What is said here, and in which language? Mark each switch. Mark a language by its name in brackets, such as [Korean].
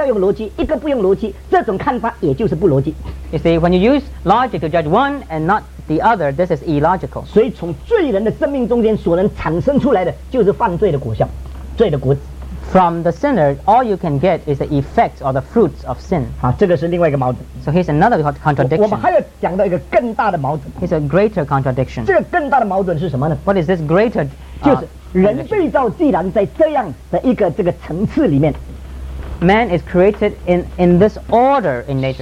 [Chinese] 把这两样相同本质的东西，一个要用逻辑，一个不用逻辑，这种看法也就是不逻辑。 [English] You see, when you use logic to judge one and not the other, this is illogical. [Chinese] 所以从罪人的生命中间所能产生出来的就是犯罪的果效，罪的果子。 [English] From the sinner, all you can get is the effects or the fruits of sin. [Chinese] 好，这个是另外一个矛盾。 [English] So here's another contradiction. [Chinese] 我们还要讲到一个更大的矛盾。 [English] It's a greater contradiction. [Chinese] 这个更大的矛盾是什么呢？ [English] What is this greater? [Chinese] 就是人被造，既然在这样的一个这个层次里面， [English] man is created in this order in nature.